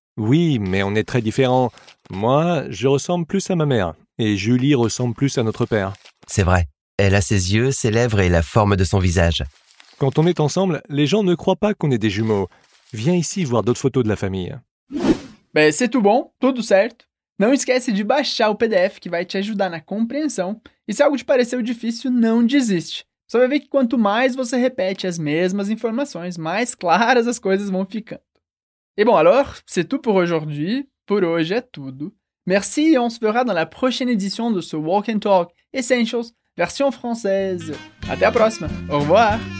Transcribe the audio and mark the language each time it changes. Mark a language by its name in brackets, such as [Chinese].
[French] Oui, mais on est très différents. Moi, je ressemble plus à ma mère. Et Julie ressemble plus à notre père. C'est vrai. Elle a ses yeux, ses lèvres et la forme de son visage. Quand on est ensemble, les gens ne croient pas qu'on est des jumeaux. Viens ici voir d'autres photos de la famille. Ben, c'est tout bon, tout certo. [Portuguese] Não esquece de baixar o PDF que vai te ajudar na compreensão. E se algo te pareceu difícil, não desiste. Só vai ver que quanto mais você repete as mesmas informações, mais claras as coisas vão ficando. [French] Et bon alors, c'est tout pour aujourd'hui. Pour [Portuguese] hoje é tudo. [French] Merci et on se verra dans la prochaine édition de ce Walk and Talk Essentials version française. [Portuguese] Até a próxima. [French] Au revoir.